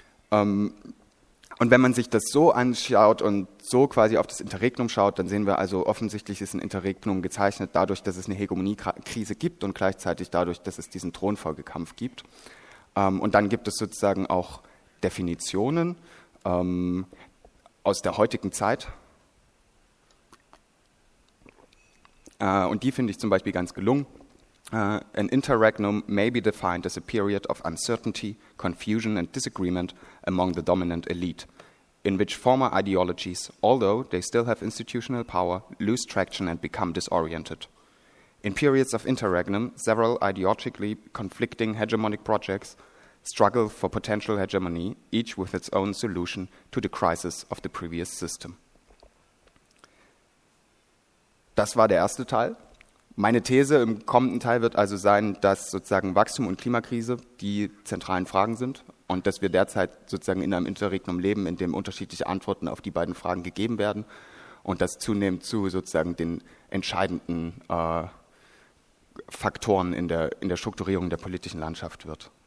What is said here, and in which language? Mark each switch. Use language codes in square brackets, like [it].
[de] Und wenn man sich das so anschaut und so quasi auf das Interregnum schaut, dann sehen wir also, offensichtlich ist ein Interregnum gezeichnet dadurch, dass es eine Hegemoniekrise gibt und gleichzeitig dadurch, dass es diesen Thronfolgekampf gibt. Und dann gibt es sozusagen auch Definitionen aus der heutigen Zeit. Und die finde ich zum Beispiel ganz gelungen. [en] An interregnum may be defined as a period of uncertainty, confusion and disagreement among the dominant elite, in which former ideologies, although they still have institutional power, lose traction and become disoriented. In periods of interregnum, several ideologically conflicting hegemonic projects struggle for potential hegemony, each with its own solution to the crisis of the previous system. [de] Das war der erste Teil. Meine These im kommenden Teil wird also sein, dass sozusagen Wachstum und Klimakrise die zentralen Fragen sind und dass wir derzeit sozusagen in einem Interregnum leben, in dem unterschiedliche Antworten auf die beiden Fragen gegeben werden und das zunehmend zu sozusagen den entscheidenden Faktoren in der Strukturierung der politischen Landschaft wird.